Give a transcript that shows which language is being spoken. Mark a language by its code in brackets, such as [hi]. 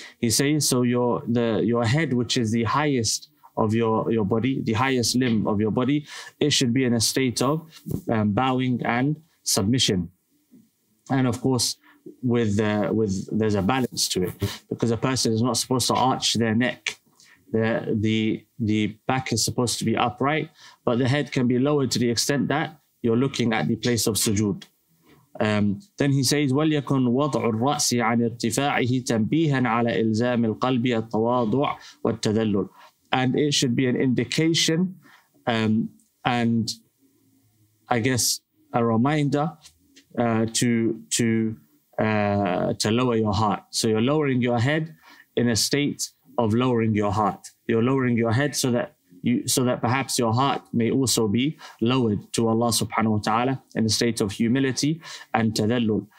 [en] He says, so your head, which is the highest of your body, the highest limb of your body, it should be in a state of bowing and submission. And of course, there's a balance to it, because a person is not supposed to arch their neck. The back is supposed to be upright, but the head can be lowered to the extent that you're looking at the place of sujood. Then he says, [ar] وَلْيَكُنْ وَضْعُ الرَّأْسِ عَنْ ارْتِفَاعِهِ تَنْبِيهًا عَلَىٰ إِلْزَامِ الْقَلْبِ التَّوَاضُعُ وَالتَّذَلُّلُ. [en] And it should be an indication a reminder to lower your heart. So you're lowering your head in a state of lowering your heart. You're lowering your head so that perhaps your heart may also be lowered to Allah subhanahu wa ta'ala in a state of humility and tadallul.